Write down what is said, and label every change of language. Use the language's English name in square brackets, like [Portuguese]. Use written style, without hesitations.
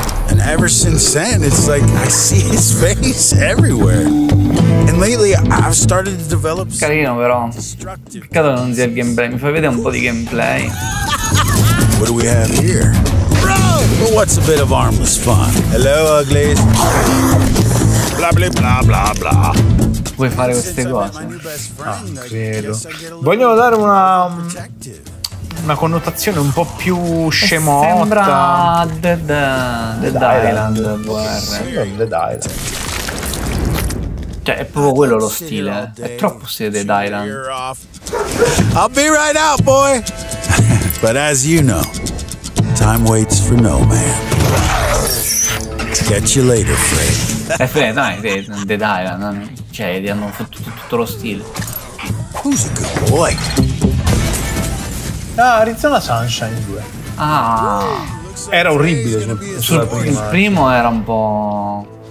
[English] And ever since then, it's like I see his face everywhere. And lately I've started to develop. [Italian] Carino però. Peccato non sia il gameplay. Mi fai vedere un po' di gameplay. [English] What do we have here? Bro! Well, what's a bit of armless fun? Hello, uglies. [Italian] Blah blah blah blah blah. Vuoi fare queste cose? No, credo. Vogliono dare una connotazione un po' più scemotta. Sembra The Island. Cioè, è proprio quello lo stile. È troppo stile The Island. [English] I'll be right out, boy! But as you know, time waits for no man. Catch you later, Fred. [Italian] È freddo, no, è Dead Island, cioè gli hanno fatto tutto lo stile. [English] Who's a good boy? [Italian] Ah, Arizona Sunshine 2. Ah, era orribile. Il primo era un po'.